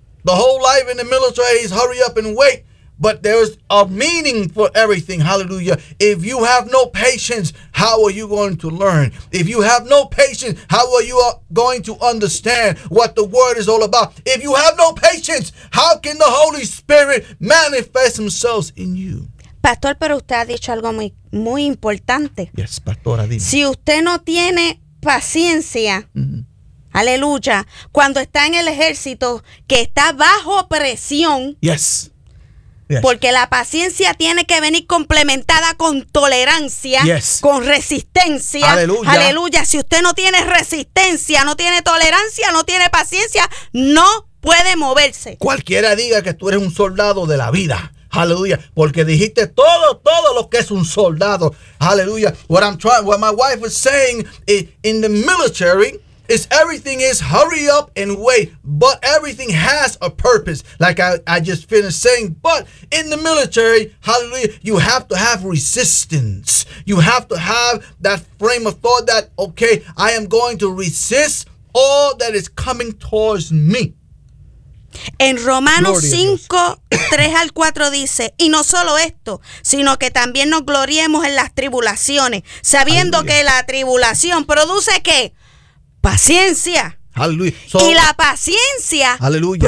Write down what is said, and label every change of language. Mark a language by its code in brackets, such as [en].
[en] The whole life in the military is hurry up and wait. But there's a meaning for everything. Hallelujah. If you have no patience, how are you going to learn? If you have no patience, how are you going to understand what the word is all about? If you have no patience, how can the Holy Spirit manifest himself in you? [es] Pastor, pero usted ha dicho algo muy, muy importante. [en] Yes, [es] pastora, dime. Si usted no tiene paciencia, mm-hmm. aleluya, cuando está en el ejército, que está bajo presión. [en] Yes. Yes. [es] Porque la paciencia tiene que venir complementada con tolerancia, [en] yes. [es] con resistencia. Aleluya. Aleluya. Si usted no tiene resistencia, no tiene tolerancia, no tiene paciencia, no puede moverse. Cualquiera diga que tú eres un soldado de la vida. Aleluya. Porque dijiste todo lo que es un soldado. Aleluya. [en] What my wife was saying in the military. It's everything is hurry up and wait, but everything has a purpose. Like I just finished saying, but in the military, hallelujah, you have to have resistance. You have to have that frame of thought that, okay, I am going to resist all that is coming towards me. [es] En Romanos 5, 3 al 4 dice, y no solo esto, sino que también nos gloriemos en las tribulaciones, sabiendo hallelujah. Que la tribulación produce ¿qué? Paciencia. Aleluya. Y la paciencia. Aleluya.